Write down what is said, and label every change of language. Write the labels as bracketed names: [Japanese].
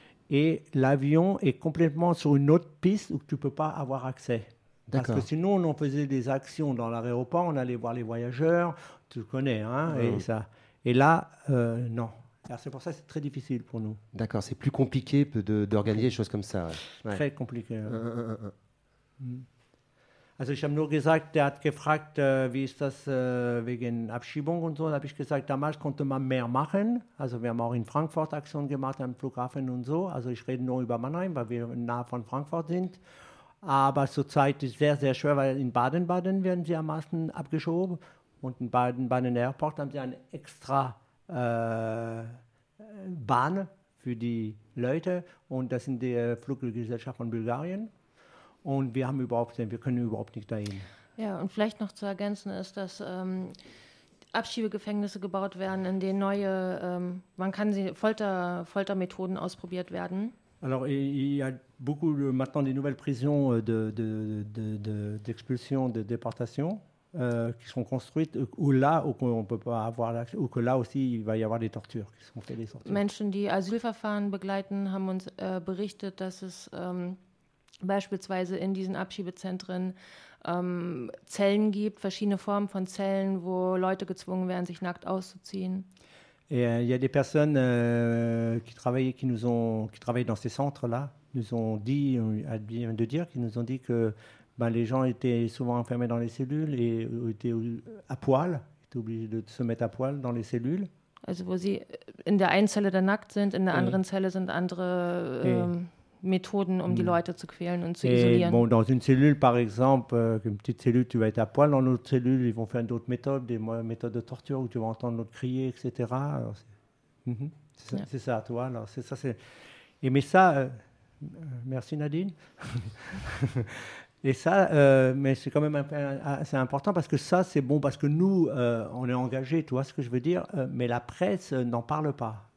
[French] Et l'avion est complètement sur une autre piste où tu ne peux pas avoir accès. D'accord. Parce que sinon, on faisait des actions dans l'aéroport, on allait voir les voyageurs, tu connais, hein, et ça. Et là, non. Alors c'est pour ça que c'est très difficile pour nous. D'accord, c'est plus compliqué d'organiser des choses comme ça. Ouais. Très compliqué. [German] Also ich habe nur gesagt, der hat gefragt, wie ist das wegen Abschiebung und so. Da habe ich gesagt, damals konnte man mehr machen. Also wir haben auch in Frankfurt Aktion gemacht, am Flughafen und so. Also ich rede nur über Mannheim, weil wir nahe von Frankfurt sind. Aber zurzeit ist es sehr, sehr schwer, weil in Baden-Baden werden sie am meisten abgeschoben. Und in Baden-Baden Airport haben sie eine extra Bahn für die Leute. Und das sind die Fluggesellschaften von Bulgarien. Und wir haben überhaupt, wir können überhaupt nicht dahin. Ja, und vielleicht noch zu ergänzen ist, dass Abschiebegefängnisse gebaut werden, in denen neue, man kann sie, Foltermethoden ausprobiert werden. [French] Alors, il y a beaucoup maintenant des nouvelles prisons d'expulsion, de déportation qui sont construites où là où on peut pas avoir l'accès, ou que là aussi il va y avoir des tortures qui sont faites. [German] Menschen, die Asylverfahren begleiten, haben uns berichtet, dass es beispielsweise in diesen Abschiebezentren Zellen gibt, verschiedene Formen von Zellen, wo Leute gezwungen werden, sich nackt auszuziehen. [French] Et il y a des personnes qui travaillent dans ces centres-là, nous ont dit, viennent de dire, qu'ils nous ont dit que ben, les gens étaient souvent enfermés dans les cellules et étaient à poil, étaient obligés de se mettre à poil dans les cellules. [German] Also, wo sie in der einen Zelle dann nackt sind, in der anderen Zelle sind andere Methoden, die Leute zu quälen und zu isolieren. [French] Bon, dans une cellule, par exemple, une petite cellule, tu vas être à poil. Dans l'autre cellule, ils vont faire d'autres méthodes, des méthodes de torture où tu vas entendre l'autre crier, etc. Alors, c'est ça, toi. Alors, c'est ça, c'est... Et mais ça, merci Nadine. Et ça, mais c'est quand même assez important parce que ça, c'est bon parce que nous, on est engagés, tu vois ce que je veux dire, mais la presse n'en parle pas.